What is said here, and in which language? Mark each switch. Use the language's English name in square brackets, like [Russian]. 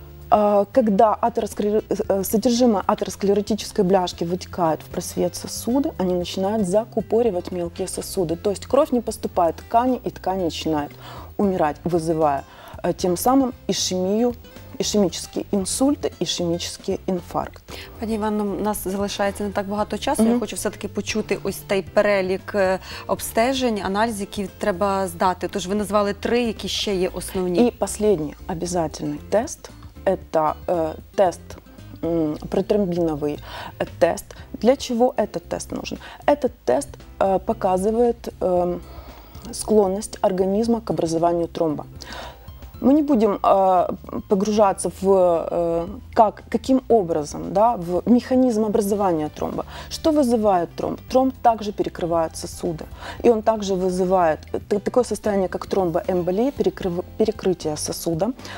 [Russian] Когда содержимое атеросклеротической бляшки вытекает в просвет сосуда, они начинают закупоривать мелкие сосуды. То есть кровь не поступает в ткани, и ткань начинает умирать, вызывая тем самым ишемию, [Ukrainian] ішемічні інсульти, ішемічний інфаркт. Пані Іванно, у нас залишається не так багато часу. Mm-hmm. Я хочу все-таки почути ось цей перелік обстежень, аналізів, які треба здати. Тож ви назвали три, які ще є основні. І останній обов'язковий тест – це тест протромбіновий тест. Для чого цей тест потрібен? Цей тест показує склонність організму до образування тромба. [Russian] Мы не будем погружаться в каким образом, да, в механизм образования тромба. Что вызывает тромб? Тромб также перекрывает сосуды. И он также вызывает такое состояние, как тромбоэмболия, перекрытие сосуда.